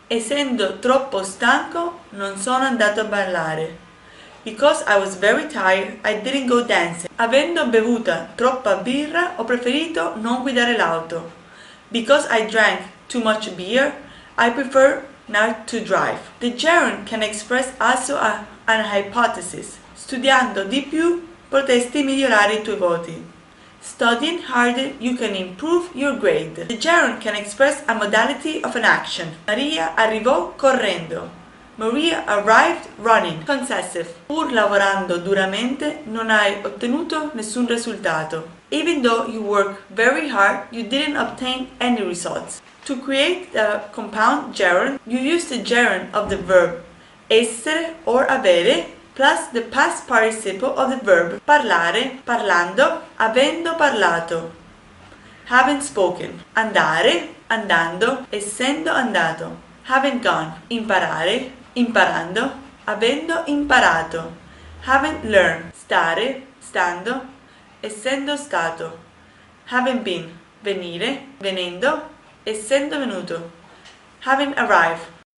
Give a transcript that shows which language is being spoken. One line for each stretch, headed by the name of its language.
Italian: Essendo troppo stanco, non sono andato a ballare.
English: Because I was very tired, I didn't go dancing.
Italian: Avendo bevuta troppa birra, ho preferito non guidare l'auto.
English: Because I drank too much beer, I prefer not to drive. The gerund can express also an hypothesis.
Italian: Studiando di più, potresti migliorare i tuoi voti.
English: Studying harder, you can improve your grade. The gerund can express a modality of an action.
Italian: Maria arrivò correndo.
English: Maria arrived running. Concessive.
Italian: Pur lavorando duramente, non hai ottenuto nessun risultato.
English: Even though you work very hard, you didn't obtain any results. To create the compound gerund, you use the gerund of the verb essere or avere plus the past participle of the verb parlare, parlando, avendo parlato, having spoken, andare, andando, essendo andato, having gone, imparare, imparando, avendo imparato, having learned, stare, stando, essendo stato, having been, venire, venendo, essendo venuto, having arrived.